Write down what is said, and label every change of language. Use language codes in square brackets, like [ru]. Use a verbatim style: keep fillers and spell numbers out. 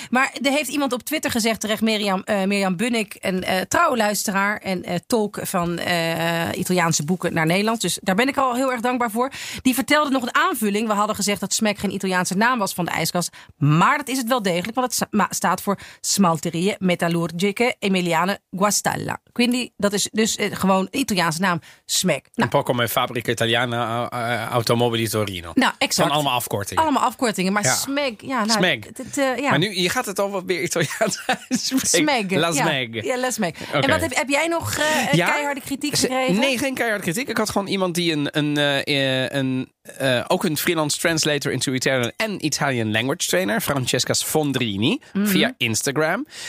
[nl] Maar er heeft iemand op Twitter gezegd, terecht Mirjam, uh, Mirjam Bunnik, een uh, trouwe luisteraar en uh, tolk van uh, Italiaanse boeken naar Nederlands. Dus daar ben ik al heel erg dankbaar voor. Die vertelde nog een aanvulling. We hadden gezegd dat Smack geen Italiaanse naam was van de ijskast. Maar dat is het wel degelijk, want het sa- ma- staat voor Smalterie Metallurgiche Emiliane Guastalla. [it] Quindi, [nl] dat is dus uh, gewoon Italiaanse naam Smack. Nou. [it] Un po' come Fabrica Italiana uh, Automobili Torino. [nl] Nou, exact. Van allemaal afkortingen. Allemaal afkortingen, maar ja. Smeg. Ja, nou, Smeg. D- d- uh, ja. Maar nu, je gaat het al wat meer Italiaans Smeg. [it] La [nl] ja. Smeg. Ja, la Smeg. Okay. En wat heb, heb jij nog uh, ja? keiharde kritiek gekregen? Nee, geen keiharde kritiek. Ik had gewoon iemand die een, een, uh, een uh, ook een [en] freelance translator into Italian [nl] en [en] Italian language trainer, [nl] Francesca Sfondrini, mm-hmm. via Instagram.